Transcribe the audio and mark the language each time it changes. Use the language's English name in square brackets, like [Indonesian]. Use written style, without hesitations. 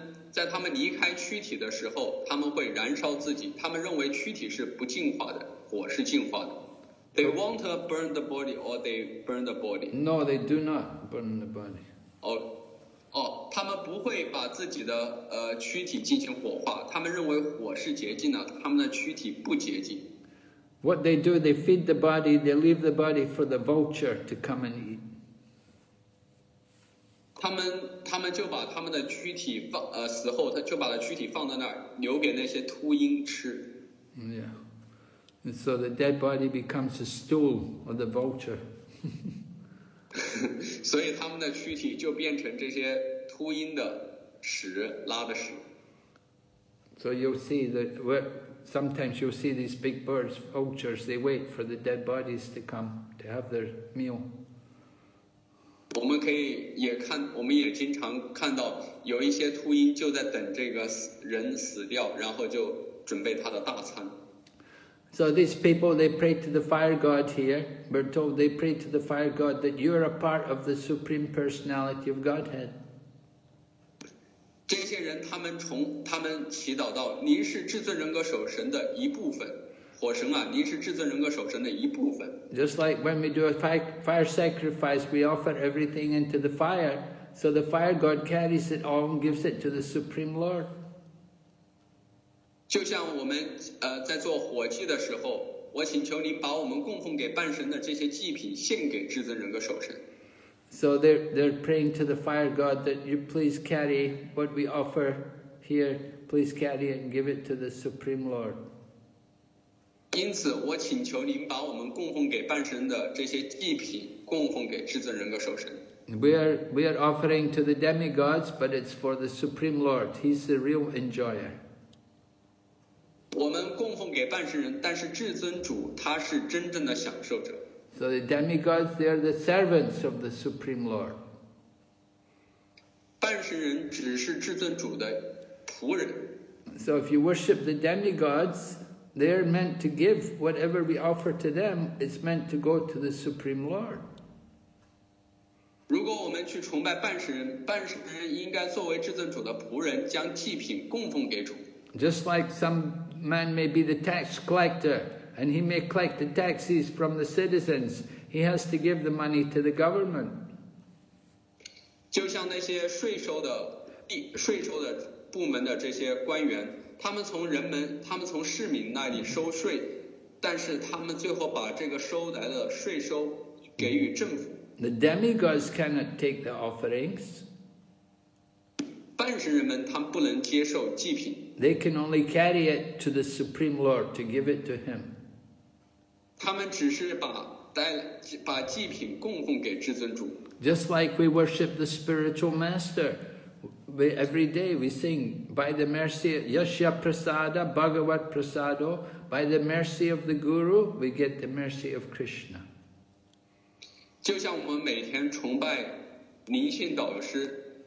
[Chinese] 在他们离开躯体的时候，他们会燃烧自己。他们认为躯体是不净化的，火是净化的。 [English] They won't burn the body, or they burn the body. No, they do not burn the body. Oh. [Chinese] 哦，他们不会把自己的躯体进行火化，他们认为火是洁净的，他们的躯体不洁净。 [English] What they do, they feed the body, they leave the body for the vulture to come and eat. [Chinese] 他们就把他们的躯体放死后，他就把躯体放在那儿，留给那些秃鹰吃。 [English] Yeah, and so the dead body becomes a stool of the vulture. [Chinese] 所以他们的躯体就变成这些秃鹰的屎，拉的屎。 [English] So you'll see that sometimes you'll see these big birds, vultures, they wait for the dead bodies to come to have their meal. [Chinese] 我们可以也看，我们也经常看到有一些秃鹰就在等这个人死掉，然后就准备他的大餐。 [English] So these people, they pray to the fire god here. We're told they pray to the fire god that you're a part of the Supreme Personality of Godhead. [Chinese] 这些人他们祈祷到，您是至尊人格守神的一部分，火神啊，您是至尊人格守神的一部分。 [English] Just like when we do a fire sacrifice, we offer everything into the fire, so the fire god carries it all and gives it to the Supreme Lord. [Chinese] 就像我们在做火祭的时候，我请求你把我们供奉给半神的这些祭品献给至尊人格守神。 [English] So they're praying to the fire god that you please carry what we offer here, please carry it and give it to the Supreme Lord. [Chinese] 因此，我请求您把我们供奉给半神的这些祭品供奉给至尊人格守神。 [English] We are offering to the demigods, but it's for the Supreme Lord. He's the real enjoyer. [Chinese] 我们供奉给半神人，但是至尊主他是真正的享受者。 [English] So the demigods, they are the servants of the Supreme Lord. [Chinese] 半神人只是至尊主的仆人。 [English] So if you worship the demigods, they are meant to give whatever we offer to them. It's meant to go to the Supreme Lord. [Chinese] 如果我们去崇拜半神人，半神人应该作为至尊主的仆人，将祭品供奉给主。 [English] Just like some. Man may be the tax collector, and he may collect the taxes from the citizens. He has to give the money to the government. [Chinese] 就像那些税收的部门的这些官员，他们从市民那里收税，但是他们最后把这个收来的税收给予政府。 [English] The demigods cannot take the offerings. [Chinese] 半神人们他们不能接受祭品。 [English] They can only carry it to the Supreme Lord to give it to him. [Chinese] 他们只是把祭品供奉给至尊主。 [English] Just like we worship the spiritual master, every day we sing by the mercy of Yashya Prasada Bhagavat Prasado, by the mercy of the Guru, we get the mercy of Krishna. [Chinese] 就像我们每天崇拜灵性导师。